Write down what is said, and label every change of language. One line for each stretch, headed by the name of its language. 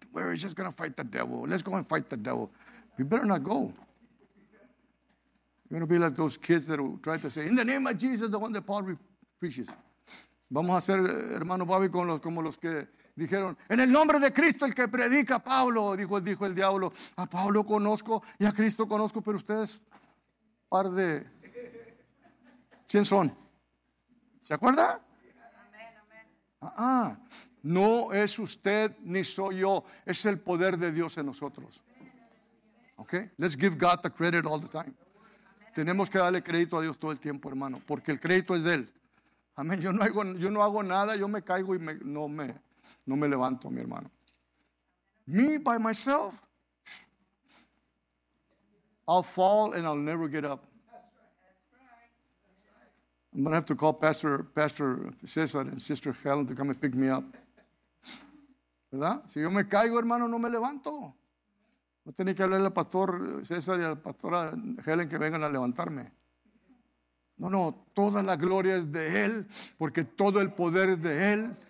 English: We're just going to fight the devil. Let's go and fight the devil. You better not go. You're going to be like those kids that will try to say, in the name of Jesus, the one that Paul preaches.
Spanish: Vamos a ser, hermano Bobby, como los que dijeron, en el nombre de Cristo, el que predica Pablo, dijo el diablo, a Pablo conozco y a Cristo conozco, pero ustedes, par de, ¿quién son? ¿Se acuerda? No es usted ni soy yo, es el poder de Dios en nosotros.
English: Ok, let's give God the credit all the time.
Spanish: Tenemos que darle crédito a Dios todo el tiempo, hermano, porque el crédito es de Él. Amén. Yo no hago nada, yo me caigo y no me levanto, mi hermano.
English: Me by myself, I'll fall and I'll never get up. I'm going to have to call Pastor César and Sister Helen to come and pick me up.
Spanish: ¿Verdad? Si yo me caigo, hermano, no me levanto. Voy a tener que hablarle al Pastor César y al Pastor Helen que vengan a levantarme. No, toda la gloria es de Él, porque todo el poder es de Él.